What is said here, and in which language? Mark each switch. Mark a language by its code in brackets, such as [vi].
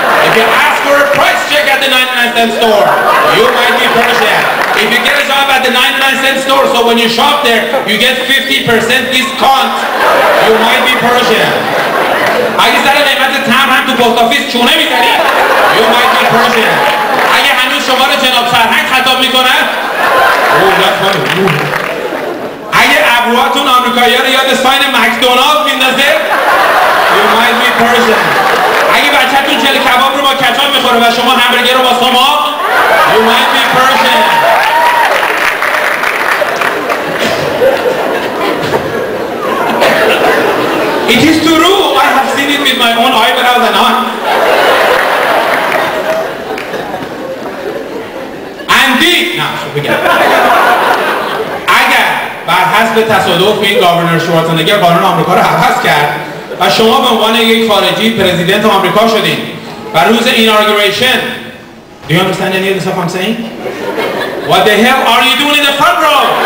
[en] If you ask for a price check at the 99-cent store, you might be Persian. If you get a job at the 99-cent store, so when you shop there, you get 50% discount, you might be Persian. [fa] اگه سر قیمت تام هم تو پست آفیس چونه میزنی، [en] you might be Persian. [fa] اگه هنوز شما رو جناب سرهنگ خطاب میکنه، [en] oh, that's funny. [fa] ابروهاتون آمریکایی ها رو یاد ساین مکدونالد میندازه، [en] you might be Persian. [fa] اگه بچه تون جل کباب رو با کچاب میخوره و شما همبرگر رو با سما، [en] you might be Persian. It is true, I have seen it with my own eyebrows and on. Indeed. No, so we get it. [fa] بر حسب تصادف این گاورنر شوارتزنگر قانون آمریکا رو عوض کرد و شما به عنوان یک خارجی پرزیدنت آمریکا شدین و روز ایناگوریشن، [en] do you understand any of the stuff I'm saying? What the hell are you doing in the front row?